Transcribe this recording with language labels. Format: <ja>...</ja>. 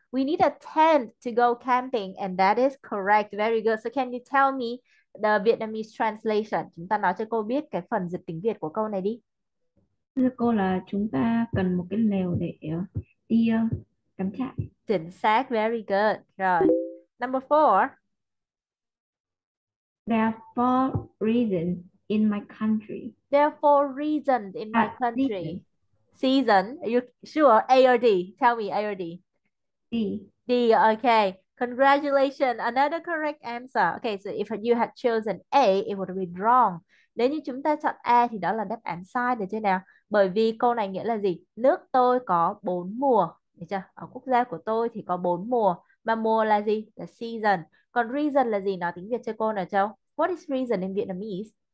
<en>We need a tent to go camping, and that is correct. Very good. So can you tell me the Vietnamese translation?</en> <vi>Chúng ta nói cho cô biết cái phần dịch tiếng Việt của câu này đi. Thưa cô là chúng ta cần một cái lều để đi cắm trại. Chính xác,</vi> <en>very good. Rồi, number four. There are four reasons in my country. There are four reasons in my À, season. country. Season, are you sure? A or D? Tell me A or D. D. D, okay. Congratulations, another correct answer. Okay, so if you had chosen A, it would be wrong.</en> <vi>Nếu như chúng ta chọn A thì đó là đáp án sai, được chưa nào? Bởi vì câu này nghĩa là gì? Nước tôi có bốn mùa, được chưa? Ở quốc gia của tôi thì có bốn mùa. Mà mùa là gì? Là season. Còn reason là gì? Nói tiếng Việt cho cô nào Châu.</vi> <en>What is reason in Vietnamese?</en>